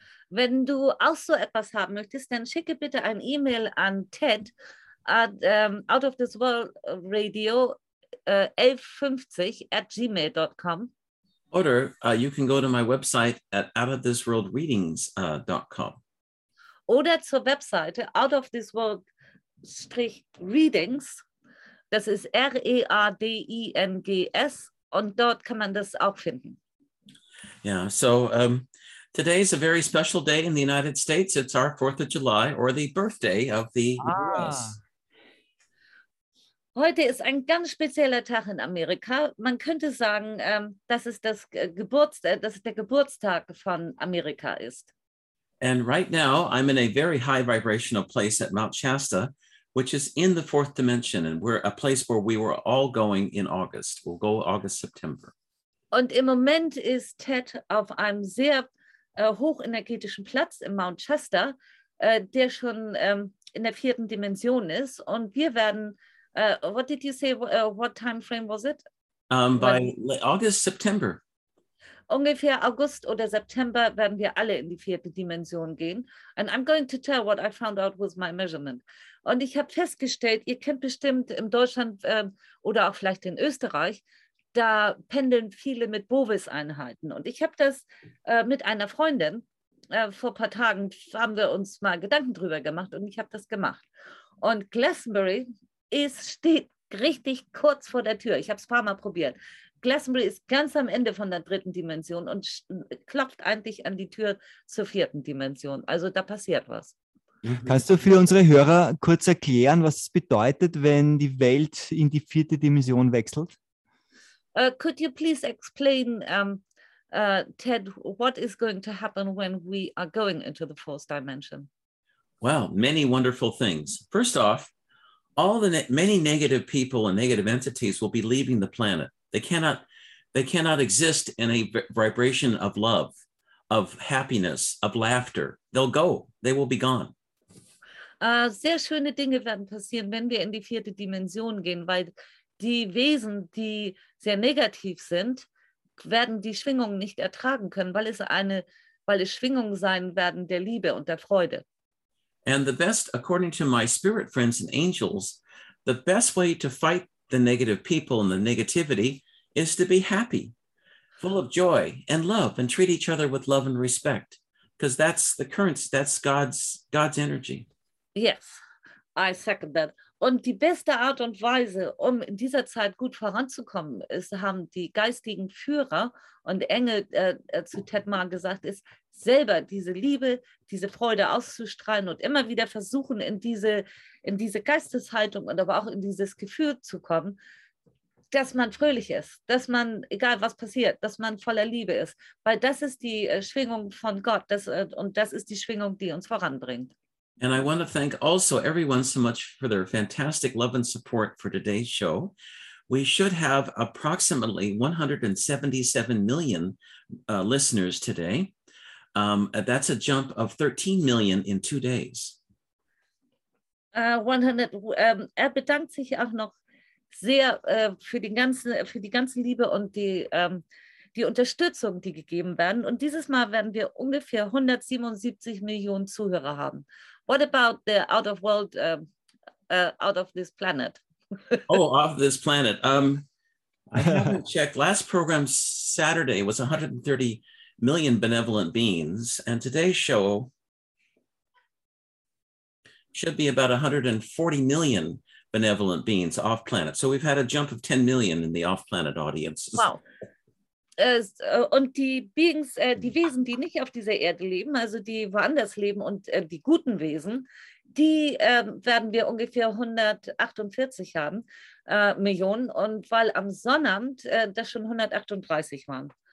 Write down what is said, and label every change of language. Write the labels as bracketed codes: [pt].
[de] Wenn du auch so etwas haben möchtest, dann schicke bitte ein E-Mail an Ted at outofthisworldradio 1150@gmail.com. [en] Oder you can go to my website at outofthisworldreadings.com. [de] Oder zur Webseite outofthisworld-readings, das ist R-E-A-D-I-N-G-S, und dort kann man das auch finden. [en] Yeah, so today is a very special day in the United States. It's our 4th of July, or the birthday of the U.S. [de] Heute ist ein ganz spezieller Tag in Amerika. Man könnte sagen, dass es das dass der Geburtstag von Amerika ist. [en] And right now, I'm in a very high vibrational place at Mount Shasta, which is in the fourth dimension, and we're a place where we were all going in August. We'll go August, September. [de] Und im Moment ist Ted auf einem sehr hochenergetischen Platz im Mount Shasta, der schon in der vierten Dimension ist, und wir werden... [en] what did you say? What time frame was it? August, September. [de] Ungefähr August oder September werden wir alle in die vierte Dimension gehen. [en] And I'm going to tell what I found out with my measurement. [de] Und ich habe festgestellt, ihr kennt bestimmt in Deutschland oder auch vielleicht in Österreich, da pendeln viele mit Bovis-Einheiten. Und ich habe das mit einer Freundin vor ein paar Tagen, haben wir uns mal Gedanken drüber gemacht, und ich habe das gemacht. Und Glastonbury... Es steht richtig kurz vor der Tür. Ich habe es ein paar Mal probiert. Glastonbury ist ganz am Ende von der dritten Dimension und klopft eigentlich an die Tür zur vierten Dimension. Also da passiert was. Kannst du für unsere Hörer kurz erklären, was es bedeutet, wenn die Welt in die vierte Dimension wechselt? [en] Could you please explain, Ted, what is going to happen when we are going into the fourth dimension? Well, many wonderful things. First off, all the many negative people and negative entities will be leaving the planet. They cannot exist in a vibration of love, of happiness, of laughter. They'll go. They will be gone. [de] Sehr schöne Dinge werden passieren, wenn wir in die vierte Dimension gehen, weil die Wesen, die sehr negativ sind, werden die Schwingungen nicht ertragen können, weil es Schwingungen sein werden der Liebe und der Freude. [en] And the best, according to my spirit friends and angels, the best way to fight the negative people and the negativity is to be happy, full of joy and love, and treat each other with love and respect, because that's the current, that's God's energy. Yes, I second that. [de] Und die beste Art und Weise, um in dieser Zeit gut voranzukommen, ist, haben die geistigen Führer und Engel zu Ted Mahr gesagt, ist, selber diese Liebe, diese Freude auszustrahlen und immer wieder versuchen, in diese Geisteshaltung und aber auch in dieses Gefühl zu kommen, dass man fröhlich ist, dass man, egal was passiert, dass man voller Liebe ist. Weil das ist die Schwingung von Gott, und das ist die Schwingung, die uns voranbringt. [en] And I want to thank also everyone so much for their fantastic love and support for today's show. We should have approximately 177 million listeners today. That's a jump of 13 million in 2 days. [de] Er bedankt sich auch noch sehr für die ganze Liebe und die Unterstützung, die gegeben werden. Und dieses Mal werden wir ungefähr 177 Millionen Zuhörer haben. [en] What about the out of world, out of this planet? Oh, out of this planet. I haven't checked. Last program Saturday was 130 million benevolent beings. And today's show should be about 140 million benevolent beings off planet. So we've had a jump of 10 million in the off planet audience. Wow. [de] Und die Beings, die Wesen, die nicht auf dieser Erde leben, also die woanders leben, und die guten Wesen, die werden wir ungefähr 148 haben, Millionen, und weil am Sonnabend das schon 138 waren.